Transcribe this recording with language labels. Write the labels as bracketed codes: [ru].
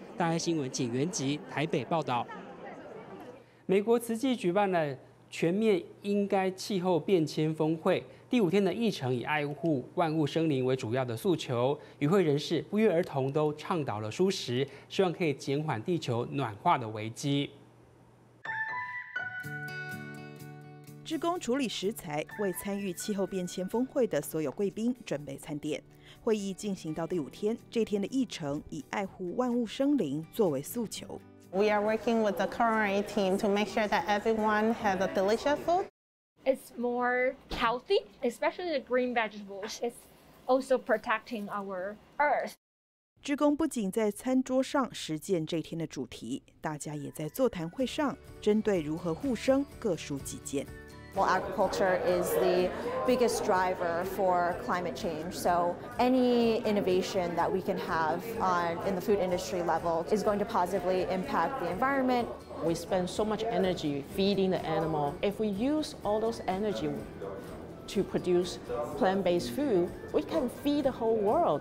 [zh] 大爱新闻警员吉台北报道。美国慈济举办了全面应该气候变迁峰会，第五天的议程以爱护万物生灵为主要的诉求，与会人士不约而同都倡导了蔬食，希望可以减缓地球暖化的危机。志工处理食材，为参与气候变迁峰会的所有贵宾准备餐点。会议进行到第五天，这天的议程以爱护万物生灵作为诉求。 [en] We are working with the culinary team to make sure that everyone has a delicious food. It's more healthy, especially the green vegetables. It's also protecting our earth. [zh] 志工不仅在餐桌上实践这天的主题，大家也在座谈会上针对如何互生各抒己见。 [en] Well, agriculture is the biggest driver for climate change. So any innovation that we can have on, in the food industry level is going to positively impact the environment. We spend so much energy feeding the animal. If we use all those energy to produce plant-based food, we can feed the whole world.